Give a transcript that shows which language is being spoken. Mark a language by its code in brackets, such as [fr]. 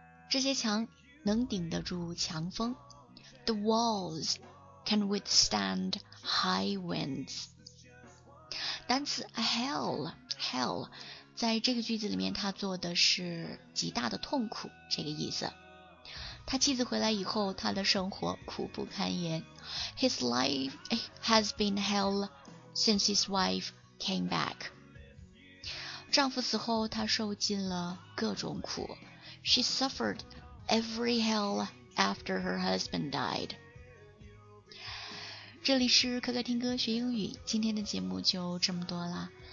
[zh] 这些墙能顶得住强风。 [en] The walls can withstand high winds。 [zh] 单词 hell， hell 在这个句子里面他做的是极大的痛苦这个意思。他妻子回来以后，他的生活苦不堪言。 [en] His life has been hell since his wife came back。 [zh] 丈夫死后，他受尽了各种苦。 [en] She suffered every hell after her husband died。 [zh] 这里是可可听歌学英语，今天的节目就这么多了。